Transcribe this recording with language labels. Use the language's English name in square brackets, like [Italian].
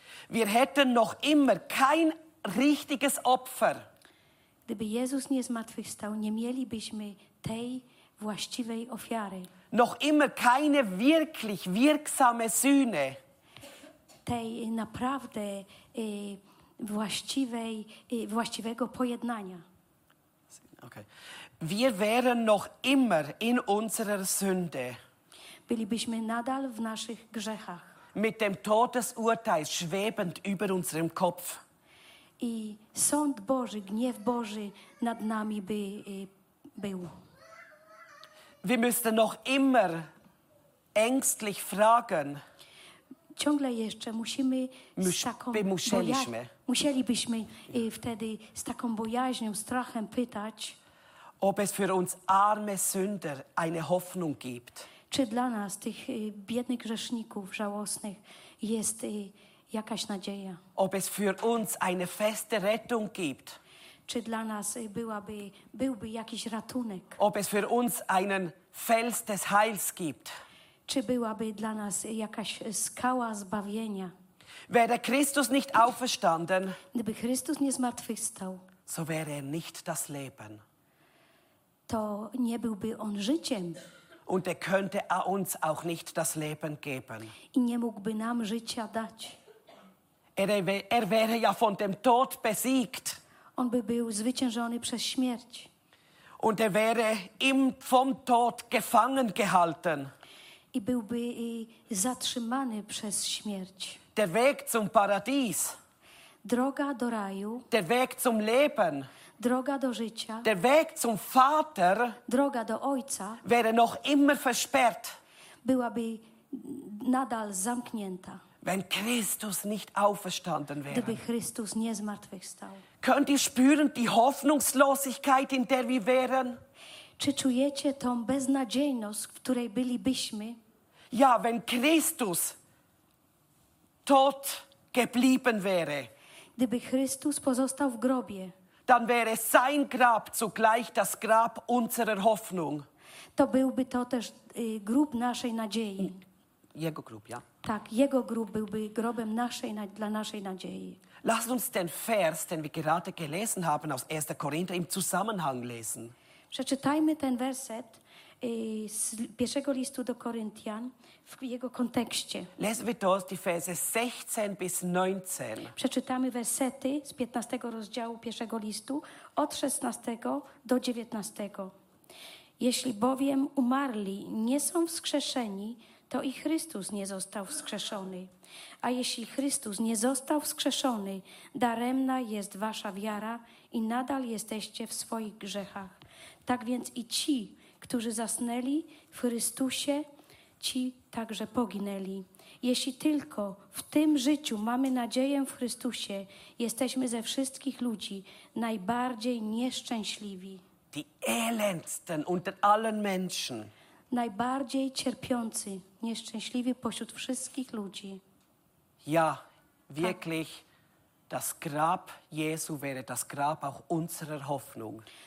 [German] Wir hätten noch immer kein richtiges Opfer. [Polish] Gdyby Jezus nie zmartwychwstał, nie mielibyśmy tej właściwej ofiary. [German] Noch immer keine wirklich wirksame Sühne. [Polish] Tej naprawdę właściwej, właściwego pojednania. Okay. [German] Wir wären noch immer in unserer Sünde. [Polish] Bylibyśmy nadal w naszych grzechach. [German] Mit dem Todesurteil schwebend über unserem Kopf. [Polish] I sąd Boży, gniew Boży nad nami by był. [German] Wir müssten noch immer ängstlich fragen. [Polish] Ciągle jeszcze musimy z taką musielibyśmy wtedy z taką bojaźnią, strachem pytać, [German] ob es für uns arme Sünder eine Hoffnung gibt. [Polish] Czy dla nas, tych biednych grzeszników, żałosnych, jest jakaś nadzieja? [German] Ob es für uns eine feste Rettung gibt? [Polish] Czy dla nas byłby jakiś ratunek? [German] Ob es für uns einen Fels des Heils gibt? [Polish] Czy byłaby dla nas jakaś skała zbawienia? [German] Wäre Christus nicht auferstanden, [Polish] gdyby Chrystus nie zmartwychwstał, [German] so wäre er nicht das Leben. [Polish] To nie byłby on życiem. [German] Und könnte uns auch nicht das Leben geben. [Polish] I nie mógłby nam życia dać. [German] Er wäre ja von dem Tod besiegt. [Polish] On by był zwyciężony przez śmierć. [German] Und wäre im vom Tod gefangen gehalten. [Polish] I byłby zatrzymany przez śmierć. [German] Der Weg zum Paradies. [Polish] Droga do raju. [German] Der Weg zum Leben. [Polish] Droga do życia. [German] Der Weg zum Vater. [Polish] Droga do Ojca. [German] Wäre noch immer versperrt. [Polish] Byłaby nadal zamknięta. [German] Wenn Christus nicht auferstanden wäre. [Polish] Gdyby Chrystus nie zmartwychwstał. [German] Könnt ihr spüren die Hoffnungslosigkeit, in der wir wären? [Polish] Czy czujecie tą beznadziejność, w której bylibyśmy? [German] Ja, wenn Christus tot geblieben wäre. [Polish] Gdyby Chrystus pozostał w grobie. [German] Dann wäre sein Grab zugleich das Grab unserer Hoffnung. [Polish] To byłby to też grób naszej nadziei. Jego grób, ja. Tak, jego grób byłby grobem dla naszej nadziei. [German] Lasst uns den Vers, den wir gerade gelesen haben aus 1. Korinther, im Zusammenhang lesen. [Polish] Przeczytajmy ten werset z pierwszego listu do Koryntian w jego kontekście. [German] Lesen wir dort die Verse 16 bis 19. [Polish] Przeczytamy wersety z 15 rozdziału pierwszego listu od 16 do 19. Jeśli bowiem umarli nie są wskrzeszeni, to i Chrystus nie został wskrzeszony. A jeśli Chrystus nie został wskrzeszony, daremna jest wasza wiara i nadal jesteście w swoich grzechach. Tak więc i ci, którzy zasnęli w Chrystusie, ci także poginęli. Jeśli tylko w tym życiu mamy nadzieję w Chrystusie, jesteśmy ze wszystkich ludzi najbardziej nieszczęśliwi. [German] Die elendsten unter allen Menschen. [Polish] Najbardziej cierpiący, nieszczęśliwi pośród wszystkich ludzi. [German] Ja, wirklich, das Grab Jesu wäre das Grab auch unserer Hoffnung.